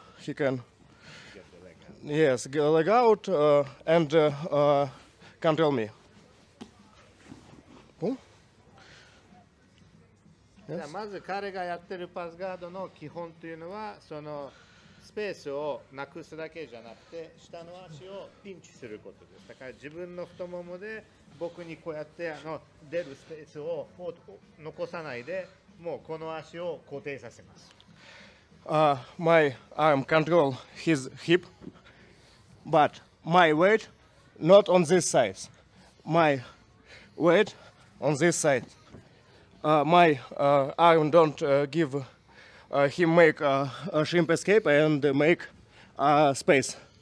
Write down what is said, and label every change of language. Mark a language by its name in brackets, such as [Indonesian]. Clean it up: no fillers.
[English] He can get a leg out and control me. [Japanese] まず彼がやってるパスガードの基本というのはそのスペースをなくすだけじゃなくて下の足をピンチすることです。だから自分の太ももで僕にこうやってあの出るスペースをもう残さないで、もうこの足を固定させます。 [English] My arm control his hip, but my weight not on this side. My weight on this side. My arm don't give him make a shrimp escape and make space.